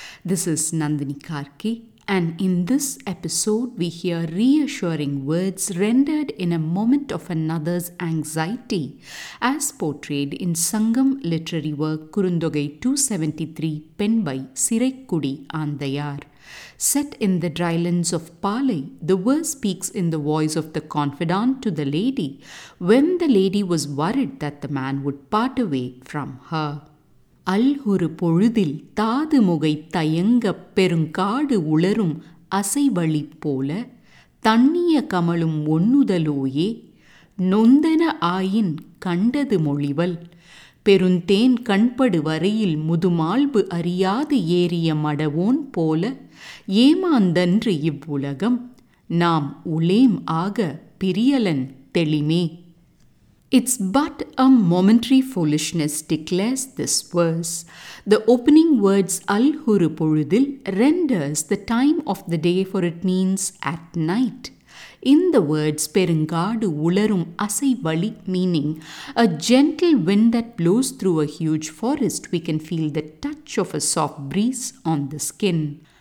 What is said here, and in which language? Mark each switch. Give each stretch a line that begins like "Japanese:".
English: This is Nandini Karki, and in this episode we hear reassuring words rendered in a moment of another's anxiety as portrayed in Sangam literary work Kurundogai 273 penned by Sirekkudi Andayar. Set in the drylands of Palai, the verse speaks in the voice of the confidant to the lady when the lady was worried that the man would part away from her.
Tamil: அல்ஹுரு பொழுதில் தாது முகை தயங்க பெருங்காடு உளரும் அசைவழி போல தண்ணிய கமலும் ஒண்ணுதலோயே நொந்தன ஆயின் கண்டது மொழிவல் பெருந்தேன் கண்படு வரையில் முதுமாள்பு அறியாது ஏறிய மடவோன் போல ஏமாந்தன்று இவ்வுலகம் நாம் உளேம் ஆக பிரியலன் தெளிமே.
English: It's but a momentary foolishness, declares this verse. The opening words
Tamil: Al-Huru Purudil
English: renders the time of the day, for it means at night. In the words
Tamil: Perungadu Ularum Asai Vali,
English: meaning a gentle wind that blows through a huge forest, we can feel the touch of a soft breeze on the skin.